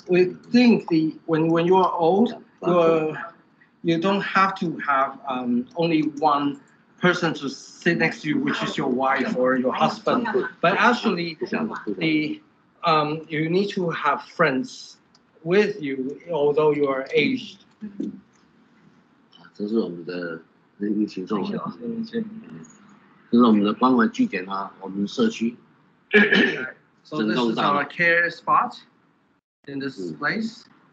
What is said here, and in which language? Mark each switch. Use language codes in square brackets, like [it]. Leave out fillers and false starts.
[en] we think the when you are old, you don't have to have only one person to sit next to you, which is your wife or your husband. But actually, the you need to have friends with you, although you are aged. [zh] 这是我们的那个群众啊，这是我们的关怀据点啊，我们社区。 [en] So this is our care spot in this place.